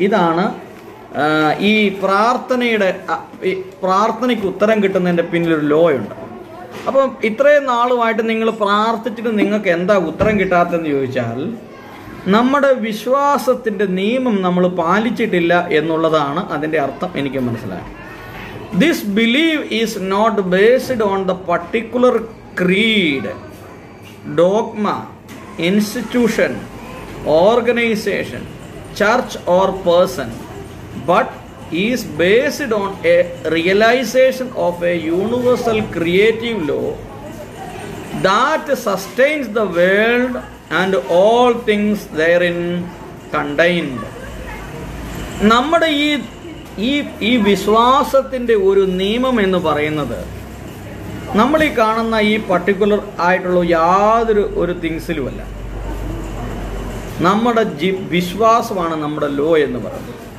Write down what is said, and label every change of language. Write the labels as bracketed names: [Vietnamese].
[Malayalam] ഇതാണ് ഈ പ്രാർത്ഥനയുടെ പ്രാർത്ഥനയ്ക്ക് ഉത്തരം കിട്ടുന്നതിൻ്റെ പിന്നിലൊരു ലോ ഉണ്ട്. അപ്പം ഇത്രയും നാളുമായിട്ട് നിങ്ങൾ പ്രാർത്ഥിച്ചിട്ട് നിങ്ങൾക്ക് എന്താ ഉത്തരം കിട്ടാത്തതെന്ന് ചോദിച്ചാൽ, നമ്മുടെ വിശ്വാസത്തിൻ്റെ നിയമം നമ്മൾ പാലിച്ചിട്ടില്ല എന്നുള്ളതാണ് അതിൻ്റെ അർത്ഥം എനിക്ക് മനസ്സിലായി. [English] This belief is not based on the particular creed, dogma, institution, organization, church or person, but is based on a realization of a universal creative law that sustains the world and all things therein contained. [Malayalam] നമ്മുടെ ഈ ഈ ഈ വിശ്വാസത്തിൻ്റെ ഒരു നിയമം എന്ന് പറയുന്നത് നമ്മൾ ഈ കാണുന്ന ഈ പർട്ടിക്കുലർ ആയിട്ടുള്ള യാതൊരു ഒരു തിങ്സിലുമല്ല, നമ്മുടെ വിശ്വാസമാണ് നമ്മുടെ ലോ എന്ന് പറയുന്നത്.